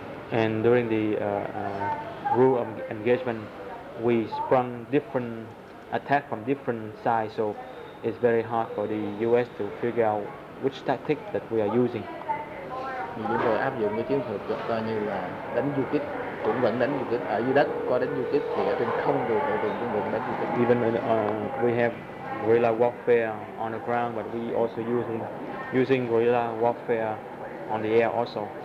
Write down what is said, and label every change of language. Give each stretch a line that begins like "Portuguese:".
English: And during the rule of engagement, we sprung different attack from different sides, so it's very hard for the US to figure out which tactic that we are using.
Vietnamese: Chúng tôi áp dụng cái chiến thuật coi như là đánh du kích, cũng vẫn đánh du kích ở dưới đất, có đánh du kích thì ở trên không được, ở trên cũng vẫn đánh du kích.
English: Even we have guerrilla warfare on the ground, but we also using guerrilla warfare on the air also.